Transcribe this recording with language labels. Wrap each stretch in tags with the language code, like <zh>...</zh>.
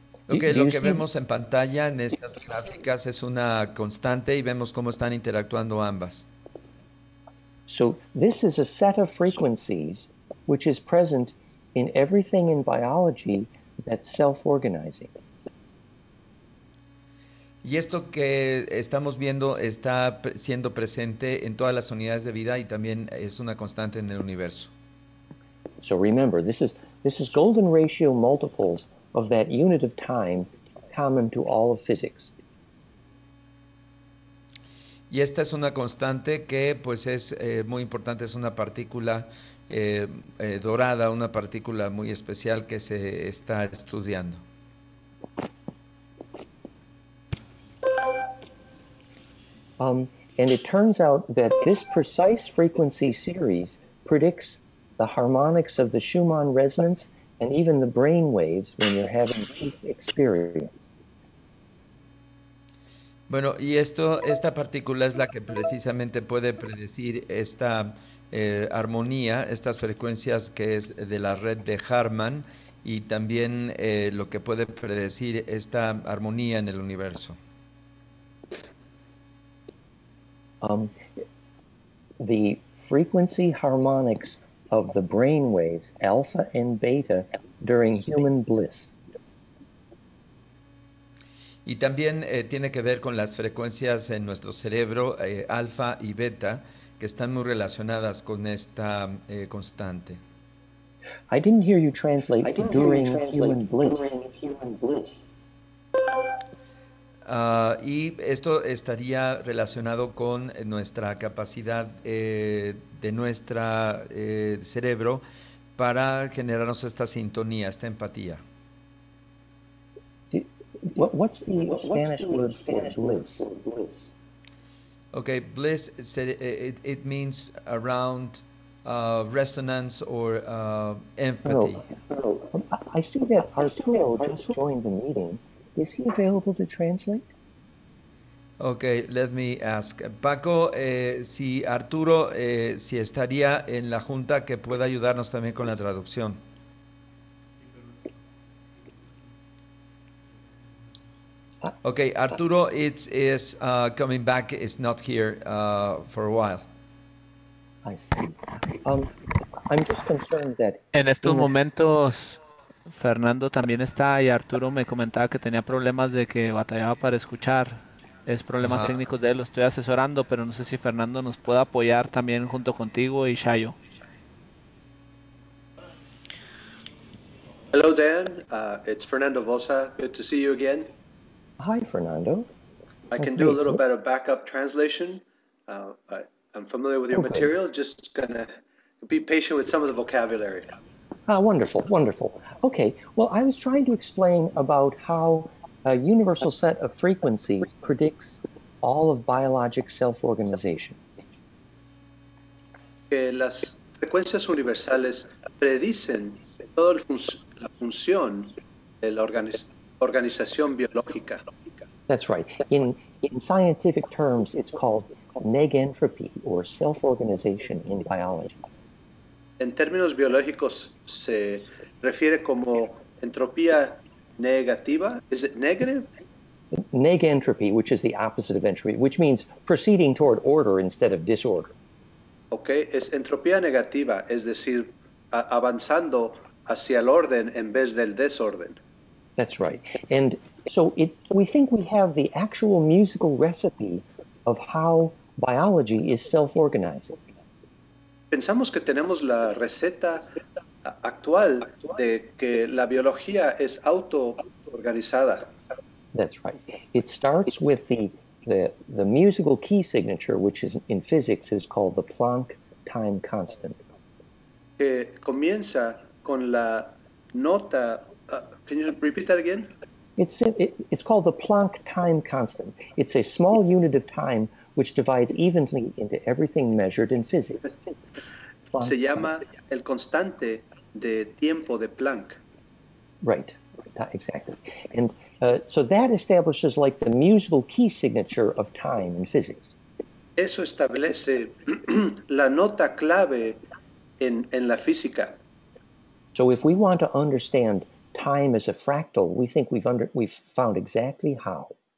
<es>Okay, lo que vemos en pantalla en estas gráficas es una constante y vemos cómo están interactuando ambas.</es> <en>So this is a set of frequencies which is present in everything in biology that's self-organizing.</en> <es>Y esto que estamos viendo está siendo presente en todas las unidades de vida y también es una constante en el universo.</es> <en>So remember, this is golden ratio multiples of that unit of time common to all of physics.</en> <es>Y esta es una constante que pues es muy importante, es una partícula dorada, una partícula muy especial que se está estudiando.</es> <en>And it turns out that this precise frequency series predicts the harmonics of the Schumann resonance and even the brain waves when you're having peak experience.</en> <es>Bueno, y esta partícula es la que precisamente puede predecir esta armonía, estas frecuencias que es de la red de Harman, y también lo que puede predecir esta armonía en el universo.</es> <en>The frequency harmonics of the brain waves, alpha and beta, during human bliss.</en> <es>Y también tiene que ver con las frecuencias en nuestro cerebro, alfa y beta, que están muy relacionadas con esta constante.</es> <en>I didn't hear you translate during human bliss.</en> <es>Y esto estaría relacionado con nuestra capacidad de nuestro cerebro para generarnos esta sintonía, esta empatía.</es> <en>What's the Spanish word for bliss? Okay, bliss, it means around resonance or empathy. No. I see that Arturo just joined the meeting. Is he available to translate? Okay, let me ask.</en> <es>Paco, si Arturo, si estaría en la junta, que pueda ayudarnos también con la traducción.</es> <en>Okay, Arturo, it's coming back. It's not here for a while. I see. I'm just concerned that...</en> <es>En estos momentos, Fernando también está y Arturo me comentaba que tenía problemas de que batallaba para escuchar. Es problemas técnicos de él, lo estoy asesorando, pero no sé si Fernando nos puede apoyar también junto contigo y Shayo.</es> <en>Hello Dan, it's Fernando Bosa, good to see you again. Hi Fernando. I can do a little bit of backup translation. I'm familiar with your material, just gonna be patient with some of the vocabulary. Ah, wonderful, wonderful. Okay, well I was trying to explain about how a universal set of frequencies predicts all of biologic self-organization.</en> <es>Las frecuencias universales predicen todo el función de la organización biológica.</es> <en>That's right. In scientific terms, it's called negentropy or self-organization in biology.</en> <es>En términos biológicos se refiere como entropía negativa.</es> <en>Is it negative? Negentropy, which is the opposite of entropy, which means proceeding toward order instead of disorder.</en> <es>Okay, es entropía negativa, es decir, avanzando hacia el orden en vez del desorden.</es> <en>That's right. And so it, we think we have the actual musical recipe of how biology is self-organizing.</en> <es>Pensamos que tenemos la receta actual de que la biología es auto-organizada.</es> <en>That's right. It starts with the musical key signature, which is in physics is called the Planck time constant.</en> <es>Comienza con la nota.</es> <en>Can you repeat that again? It's called the Planck time constant. It's a small unit of time which divides evenly into everything measured in physics.</en> <es>Planck se llama constant. El constante de tiempo de Planck.</es> <en>Right. Exactly. And so that establishes like the musical key signature of time in physics.</en> <es>Eso establece la nota clave en la física.</es> <en>So if we want to understand time as a fractal, we think we've found exactly how.</en>